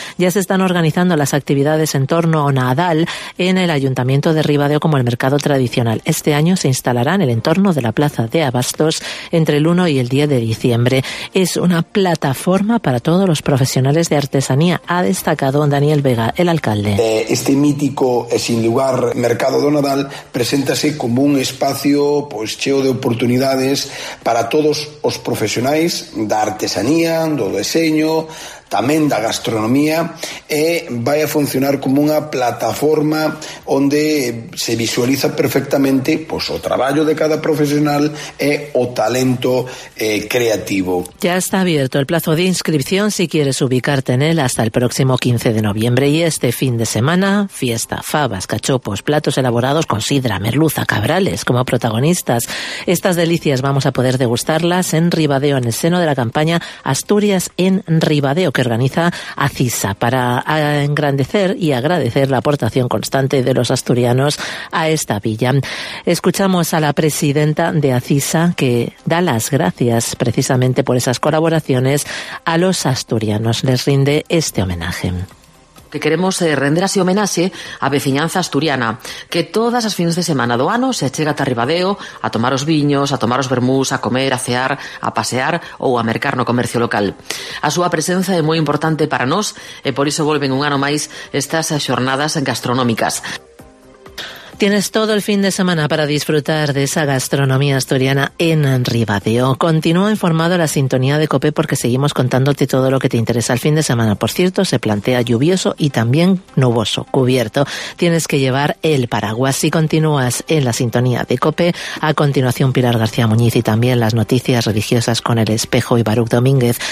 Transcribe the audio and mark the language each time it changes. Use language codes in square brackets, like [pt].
[es] Ya se están organizando las actividades en torno a Nadal en el Ayuntamiento de Ribadeo como el mercado tradicional. Este año se instalará en el entorno de la Plaza de Abastos entre el 1 y el 10 de diciembre. Es una plataforma para todos los profesionales de artesanía, ha destacado Daniel Vega, el alcalde. [gl] Este mítico e sin lugar mercado do Nadal preséntase como un espacio pues cheo de oportunidades para todos os profesionais da artesanía, do deseño, tamén da gastronomía, e vai a funcionar como unha plataforma onde se visualiza perfectamente pues, o traballo de cada profesional e o talento creativo. [es] Ya está abierto el plazo de inscripción si quieres ubicarte en él hasta el próximo 15 de noviembre y este fin de semana, fiesta, fabas, cachopos, platos elaborados con sidra, merluza, cabrales como protagonistas. Estas delicias vamos a poder degustarlas en Ribadeo en el seno de la campaña Asturias en Ribadeo, que organiza ACISA para engrandecer y agradecer la aportación constante de los asturianos a esta villa. Escuchamos a la presidenta de ACISA, que da las gracias precisamente por esas colaboraciones a los asturianos. Les rinde este homenaje. [gl] que queremos render así homenaxe á veciñanza asturiana, que todas as fins de semana do ano se chega ata Ribadeo a tomar os viños, a tomar os vermús, a comer, a cear, a pasear ou a mercar no comercio local. A súa presenza é moi importante para nós e por iso volven un ano máis estas xornadas gastronómicas. [es] Tienes todo el fin de semana para disfrutar de esa gastronomía asturiana en Ribadeo. Continúa informado a la sintonía de COPE porque seguimos contándote todo lo que te interesa el fin de semana. Por cierto, se plantea lluvioso y también nuboso, cubierto. Tienes que llevar el paraguas. Si continúas en la sintonía de COPE, a continuación Pilar García Muñiz y también las noticias religiosas con El Espejo y Baruc Domínguez.